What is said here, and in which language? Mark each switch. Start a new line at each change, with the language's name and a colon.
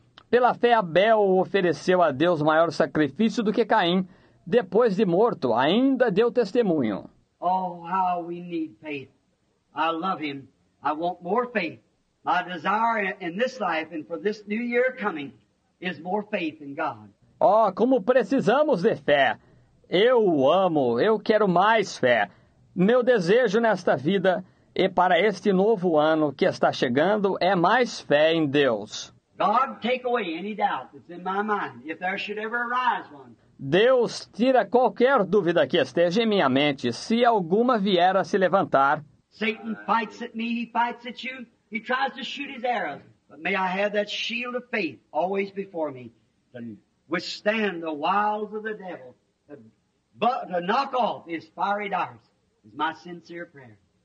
Portuguese: Pela fé, Abel ofereceu a Deus maior sacrifício do que Caim. Depois de morto, ainda deu testemunho.
English: Oh, how we need faith. I love him. I want more faith. My desire in this life and for this new year coming is more faith in God.
Portuguese: Oh, como precisamos de fé. Eu o amo. Eu quero mais fé. Meu desejo nesta vida e para este novo ano que está chegando é mais fé em Deus.
English: God, take away any doubt that's in my mind, if there should ever arise one.
Portuguese: Deus, tira qualquer dúvida que esteja em minha mente, se alguma vier a se levantar.
English: Satan fights at me, he fights at you, he tries to shoot his arrows. But may I have that shield of faith always before me, to withstand the wiles of the devil, to knock off his fiery darts, is my sincere prayer.